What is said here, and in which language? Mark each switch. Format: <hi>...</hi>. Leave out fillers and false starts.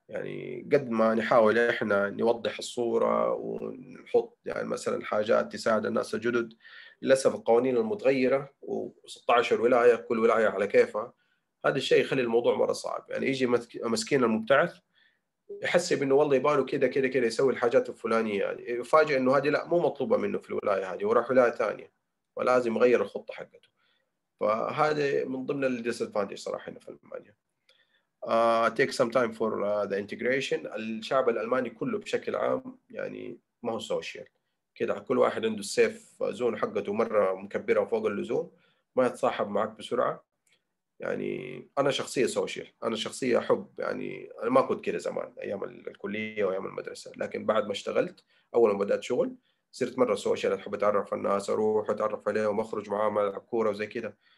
<ar>يعني قد ما نحاول احنا نوضح الصورة ونحط يعني مثلا حاجات تساعد الناس الجدد، للأسف القوانين المتغيرة و16 ولاية كل ولاية على كيفها، هذا الشيء يخلي الموضوع مرة صعب. يعني يجي مسكين المبتعث يحس بأنه والله يباله كده كده كده يسوي الحاجات الفلانية، يعني يفاجئ أنه هذه لا مو مطلوبة منه في الولاية هذه، وراح ولاية ثانية ولازم يغير الخطة حقته. فهذا من ضمن الديسادفانتج صراحة هنا في ألمانيا.</ar> <en>Take some time for the integration.</en> <ar>الشعب الألماني كله بشكل عام يعني ما هو سوشيال كده، كل واحد عنده السيف زون حقته مرة مكبرة وفوق اللزوم، ما يتصاحب معك بسرعة. يعني أنا شخصية سوشيال، أنا شخصية أحب، يعني أنا ما كنت كده زمان أيام الكلية وأيام المدرسة، لكن بعد ما اشتغلت أول ما بدأت شغل صرت مرة سوشيال، أحب أتعرف على الناس، أروح أتعرف عليهم أخرج معهم ألعب كورة وزي كده.</ar>